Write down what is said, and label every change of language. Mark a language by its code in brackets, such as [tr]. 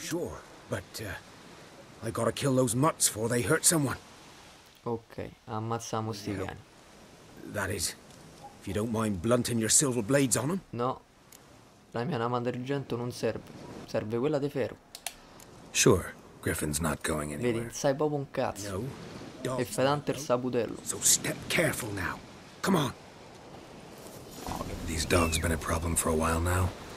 [en] Sure, but I gotta kill those mutts before they hurt someone. [it] Ok, ammazziamo sti cani. [en] That is, if you don't mind blunting your silver blades on them. [it] No, la mia lama d'argento non serve. Serve quella di ferro. [en] Sure, Griffin's not going anywhere. [it] Vedi, sai proprio un cazzo. No, e fai tanto il saputello. [en] So step careful now. Come on. These dogs been a problem for a while now.